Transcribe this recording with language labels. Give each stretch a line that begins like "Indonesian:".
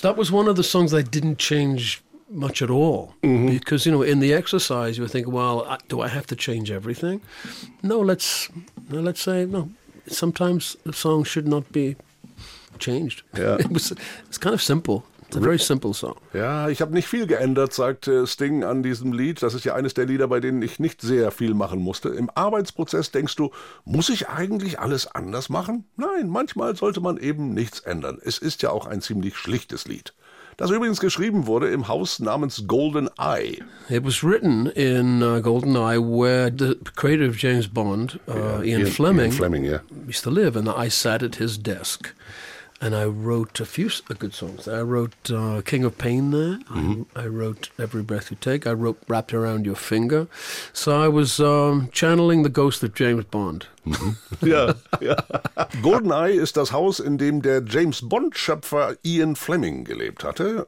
English: That was one of the songs I didn't change much at all. Mm-hmm. Because, you know, in the exercise, you think, well, do I have to change everything? No, let's say, no, sometimes the song should not be changed. Yeah. It's kind of simple. It's a very simple song.
German: Ja, ich habe nicht viel geändert, sagt Sting an diesem Lied. Das ist ja eines der Lieder, bei denen ich nicht sehr viel machen musste. Im Arbeitsprozess denkst du, muss ich eigentlich alles anders machen? Nein, manchmal sollte man eben nichts ändern. Es ist ja auch ein ziemlich schlichtes Lied. Das übrigens geschrieben wurde im Haus namens Golden Eye.
English: It was written in Golden Eye, where the creator of James Bond, Ian Fleming, used to live. And I sat at his desk. And I wrote a good songs. I wrote King of Pain there. Mm-hmm. I wrote Every Breath You Take. I wrote Wrapped Around Your Finger. So I was channeling the ghost of James Bond. Mm-hmm. Yeah, yeah.
German: GoldenEye ist das Haus, in dem der James-Bond-Schöpfer Ian Fleming gelebt hatte.